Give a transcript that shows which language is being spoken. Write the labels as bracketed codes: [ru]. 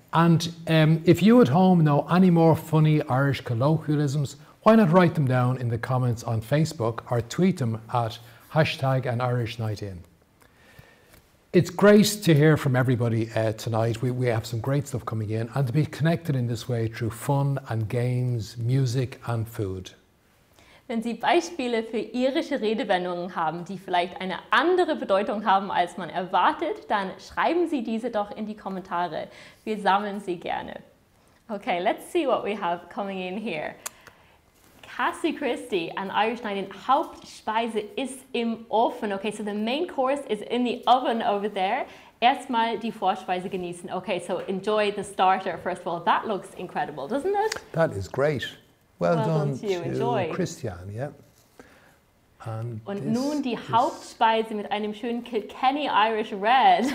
[en] And if you at home know any more funny Irish colloquialisms, why not write them down in the comments on Facebook or tweet them at #anirishnightin. It's great to hear from everybody tonight. We have some great stuff coming in, and to be connected in this way through fun and games, music and food. [de] Wenn Sie Beispiele für irische Redewendungen haben, die vielleicht eine andere Bedeutung haben, als man erwartet, dann schreiben Sie diese doch in die Kommentare. Wir sammeln sie gerne. [en] Okay, let's see what we have coming in here. [de] Cassie Christie, an Irish Nightin, Hauptspeise ist im Ofen. [en] Okay, so the main course is in the oven over there. [de] Erstmal die Vorspeise genießen. [en] Okay, so enjoy the starter first of all. That looks incredible, doesn't it? That is great. Well done to Christian, yeah. And [de] nun die Hauptspeise mit einem schönen Kilkenny Irish Red.